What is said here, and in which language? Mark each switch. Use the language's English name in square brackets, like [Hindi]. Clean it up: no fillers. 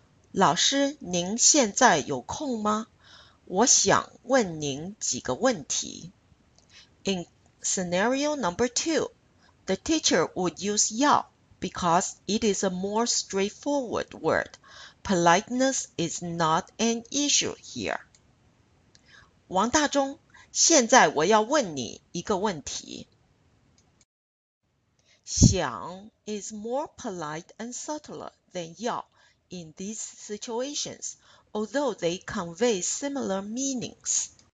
[Chinese] 老师,您现在有空吗?我想问您几个问题. [English] In scenario number two, the teacher would use yao because it is a more straightforward word. Politeness is not an issue here. [Chinese] 王大中, 现在我要问你一个问题. [English] Xiang is more polite and subtler than yao in these situations, although they convey similar meanings.